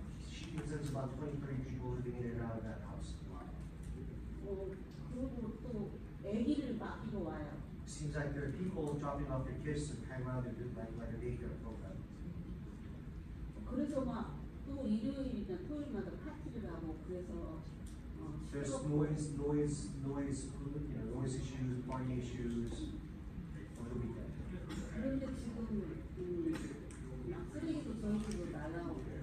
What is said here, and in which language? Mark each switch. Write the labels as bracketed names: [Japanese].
[English] She concerns about 23 people living in and out of that house. [Korean] 그리고 또, 아기를 맡기고 와요. [English] Seems like there are people dropping off their kids and hang around and do like a daycare program. [Korean] 그래서 막, 또일요일이나 토요일마다 파티를하고, 그래서, [English] There's noise, noise issues, party issues, what do we get? [Korean] 그런데 지금, 쓰레기도 전부 날라오고.